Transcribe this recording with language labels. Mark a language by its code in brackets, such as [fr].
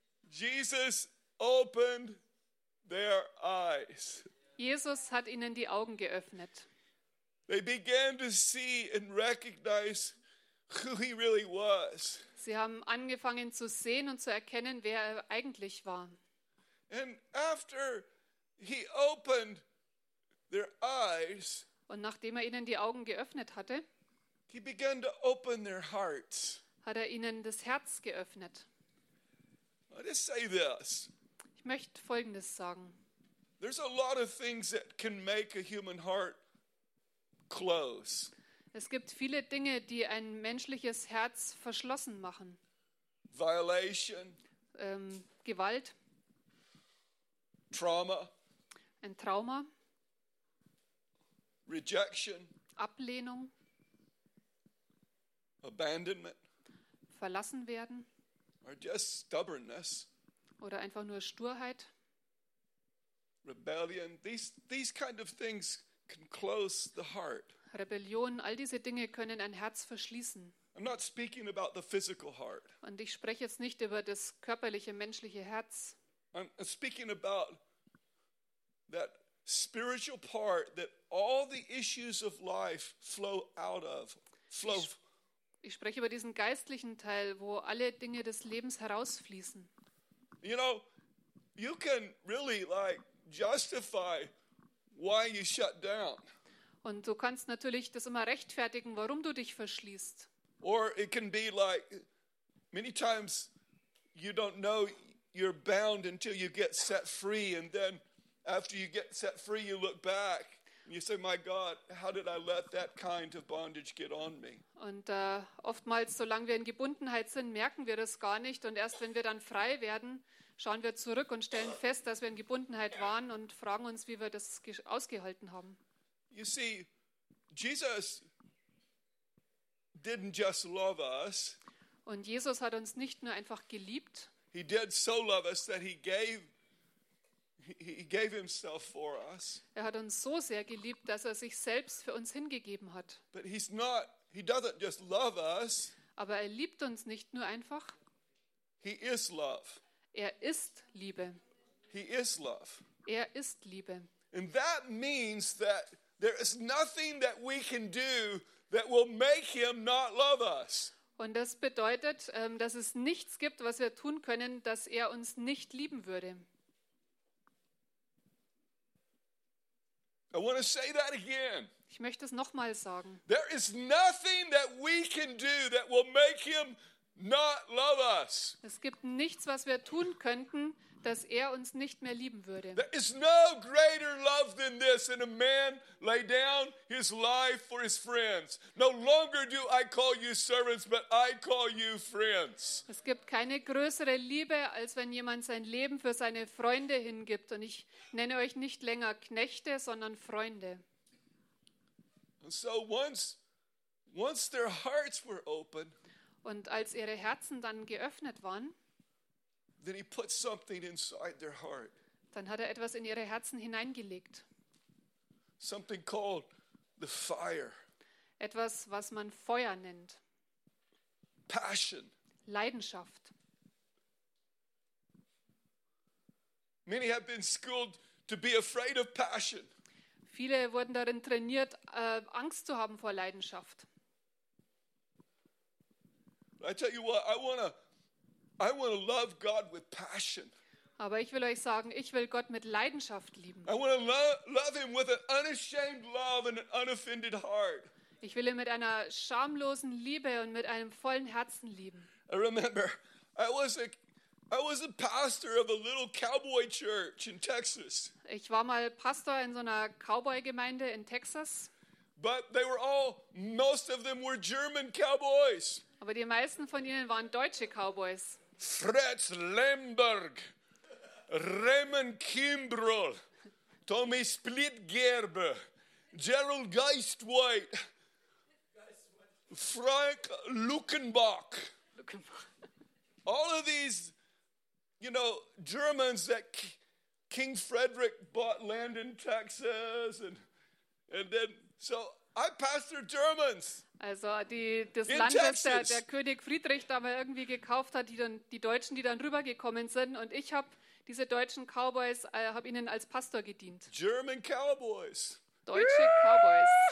[en] Jesus opened their eyes. [de] Jesus hat ihnen die Augen geöffnet. [en] They began to see and recognize who he really was. [de] Sie haben angefangen zu sehen und zu erkennen, wer er eigentlich war. [en] And after he opened their eyes, [de] und nachdem er ihnen die Augen geöffnet hatte, [en] he began to open their hearts. [de] Hat er ihnen das Herz geöffnet. [en] I'll just say this. [de] Ich möchte Folgendes sagen. [en] There's a lot of things that can make a human heart close. [de] Es gibt viele Dinge, die ein menschliches Herz verschlossen machen. [en] Violation. [de] Gewalt. [en] Trauma. [de] Ein Trauma. [en] Rejection. [de] Ablehnung. [en] abandonment, [de] verlassen werden, [en] or just stubbornness, [de] oder einfach nur Sturheit, [en] rebellion, these kind of things can close the heart. [de] Rebellion, all diese Dinge können ein Herz verschließen. [en] I'm not speaking about the physical heart. [de] Und ich spreche jetzt nicht über das körperliche, menschliche Herz. [en] I'm speaking about that spiritual part that all the issues of life flow out of. [de] Ich spreche über diesen geistlichen Teil, wo alle Dinge des Lebens herausfließen. [en] You know, you can really like justify why you shut down. [de] Und du kannst natürlich das immer rechtfertigen, warum du dich verschließt. [en] Or it can be like many times you don't know you're bound until you get set free, and then after you get set free you look back and you say, my God, how did I let that kind of bondage get on me? [de] Und oftmals, solange wir in Gebundenheit sind, merken wir das gar nicht, und erst wenn wir dann frei werden, schauen wir zurück und stellen fest, dass wir in Gebundenheit waren, und fragen uns, wie wir das ausgehalten haben. [en] You see, Jesus didn't just love us. [de] Und Jesus hat uns nicht nur einfach geliebt. [en] He did so love us that he gave himself for us. [de] Er hat uns so sehr geliebt, dass er sich selbst für uns hingegeben hat. [en] But he doesn't just love us. [de] Aber er liebt uns nicht nur einfach. [en] He is love. [de] Er ist Liebe. [en] He is love. [de] Er ist Liebe. [en] And that means that there is nothing that we can do that will make him not love us. [de] Und das bedeutet, dass es nichts gibt, was wir tun können, dass er uns nicht lieben würde. [en] I want to say that again. [de] Ich möchte es nochmal sagen. [en] There is nothing that we can do that will make him not love us. [de] Es gibt nichts, was wir tun könnten, dass er uns nicht mehr lieben würde. [en] There is no greater love than this, and a man lay down his life for his friends. No longer do I call you servants, but I call you friends. [de] Es gibt keine größere Liebe, als wenn jemand sein Leben für seine Freunde hingibt, und ich nenne euch nicht länger Knechte, sondern Freunde. [en] And so once their hearts were open, [de] und als ihre Herzen dann geöffnet waren, [en] then he put something inside their heart. [de] Dann hat er etwas in ihre Herzen hineingelegt. [en] Something called the fire. [de] Etwas, was man Feuer nennt. [en] Passion. [de] Leidenschaft. [en] Many have been schooled to be afraid of passion. [de] Viele wurden darin trainiert, Angst zu haben vor Leidenschaft. [en] I tell you what, I want to love God with passion. [de] Aber ich will euch sagen, ich will Gott mit Leidenschaft lieben. [en] I want to love him with an unashamed love and an unoffended heart. [de] Ich will ihn mit einer schamlosen Liebe und mit einem vollen Herzen lieben. [en] I remember, I was a pastor of a little cowboy church in Texas. [de] Ich war mal Pastor in so einer Cowboy-Gemeinde in Texas. [en] But they were all, most of them were German cowboys. [de] Aber die meisten von ihnen waren deutsche Cowboys. [en] Fritz Lemberg, Raymond Kimbrell, Tommy Splitgerber, Gerald Geistwhite, Frank Luckenbach. All of these, you know, Germans that King Frederick bought land in Texas, and then so I pastored Germans. [de] Also das in Land, Texas. Das der König Friedrich da mal irgendwie gekauft hat, die Deutschen, die dann rübergekommen sind. Und ich habe diese deutschen Cowboys, habe ihnen als Pastor gedient. [en] German Cowboys. [de] Deutsche yeah! Cowboys.